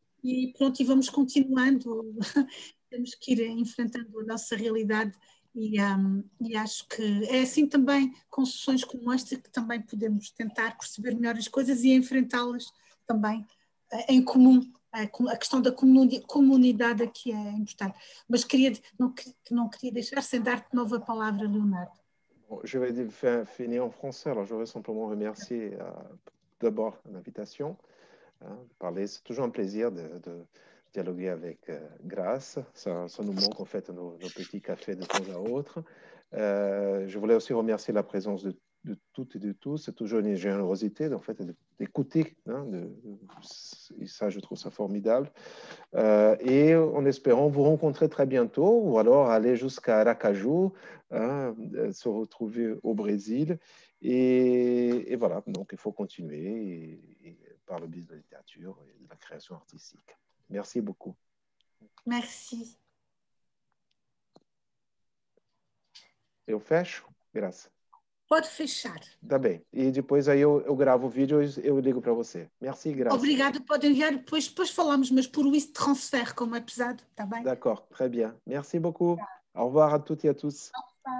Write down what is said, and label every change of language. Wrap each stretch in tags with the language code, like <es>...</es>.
<pt>E pronto, e vamos continuando, temos que ir enfrentando a nossa realidade, e acho que é assim também com sessões como esta que também podemos tentar perceber melhor as coisas e enfrentá-las também em comum, a questão da comunidade aqui é importante. Mas não queria deixar sem dar-te nova palavra, Leonardo.</pt> <fr>Bom, je vais finir en français, alors je voudrais simplement remercier d'abord l'invitation de parler. C'est toujours un plaisir de dialoguer avec Grace. Ça nous manque en fait nos petits cafés de temps à autre. Je voulais aussi remercier la présence de toutes et de tous. C'est toujours une générosité en fait, d'écouter. Hein, et ça, je trouve ça formidable. Et en espérant vous rencontrer très bientôt, ou alors aller jusqu'à Aracaju, hein, se retrouver au Brésil. Et voilà, donc il faut continuer et par le biais de la littérature et de la création artistique. Merci beaucoup. Merci.</fr> <pt>Eu fecho? Graça. Pode fechar. Tá bem. E depois aí eu gravo o vídeo e eu ligo para você.</pt> <fr>Merci, Graça.</fr> <pt>Obrigada. Pode enviar. Depois falamos, mas por isso transfer, como é pesado. Tá bem?</pt> <fr>D'accord. Très bien. Merci beaucoup. Tá. Au revoir à toutes et à tous. Tá.</fr>